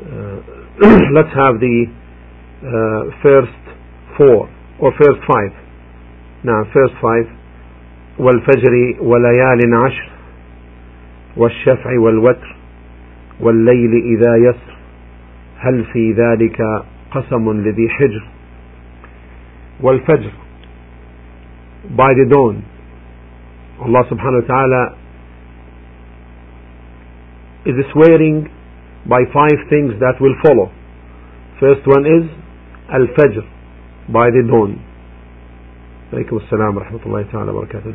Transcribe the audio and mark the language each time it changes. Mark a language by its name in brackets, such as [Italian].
[English] Let's have the first four or first five. Now, first five. [Arabic] والفجر وليال عشر والشفع والوتر والليل إذا يسر هل في ذلك قسم لذي حجر. [English] والفجر, by the dawn, Allah subhanahu wa ta'ala is swearing by five things that will follow. First one is الفجر, by the dawn. [Arabic] عليكم السلام ورحمة الله تعالى وبركاته.